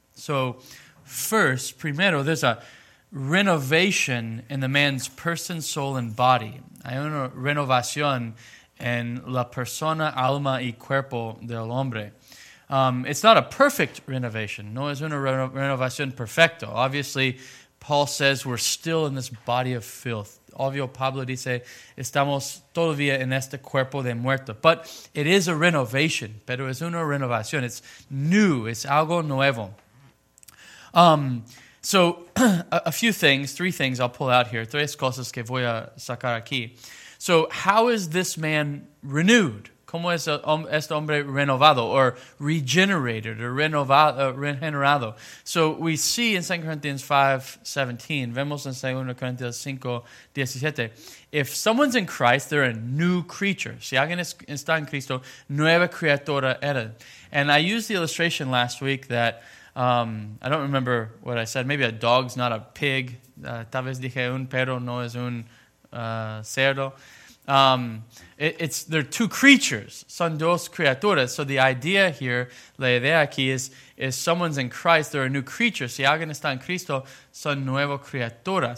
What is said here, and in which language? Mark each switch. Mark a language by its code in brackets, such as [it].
[en] So first, [es] primero, [en] there's a renovation in the man's person, soul, and body. [es] Hay una renovación en la persona, alma, y cuerpo del hombre. [en] It's not a perfect renovation. [es] No es una renovación perfecta. [en] Obviously, Paul says we're still in this body of filth. [es] Obvio, Pablo dice, estamos todavía en este cuerpo de muerto. [en] But it is a renovation, [es] pero es una renovación. [en] It's new, it's [es] algo nuevo. [en] So a few things, three things I'll pull out here. [es] Tres cosas que voy a sacar aquí. [en] So how is this man renewed? [es] ¿Cómo es este hombre renovado [en] or regenerated or [es] regenerado? [en] So we see in 2 Corinthians 5:17, [es] vemos en [en] 2 Corinthians 5:17, if someone's in Christ, they're a new creature. [es] Si alguien está en Cristo, nueva criatura era. [en] And I used the illustration last week that, I don't remember what I said, maybe a dog's not a pig. [es] Tal vez dije un perro no es un cerdo. [en] It's they're two creatures, [es] son dos criaturas. [en] So the idea here, [es] la idea aquí [en] is, if someone's in Christ, they're a new creature. [es] Si alguien está en Cristo, son nueva criatura.